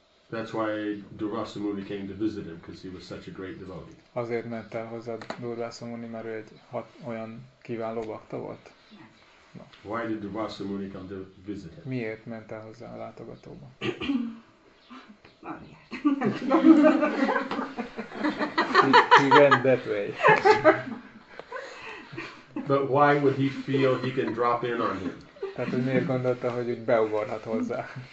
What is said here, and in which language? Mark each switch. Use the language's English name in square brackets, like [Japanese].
[English] That's why Durvasa Muni came to visit him because he was such a great devotee. [Hungarian] Azért ment el hozzá Durvasa Muni, mert ő egy olyan kiváló bakta volt. [English] No. Why did Durvasa Muni come to visit him? [Hungarian] Miért ment el hozzá a látogatóba? [English] He went that way. But why would he feel he can drop in on him? [Hungarian] Tehát hogy miért gondolta, hogy úgy beugorhat hozzá?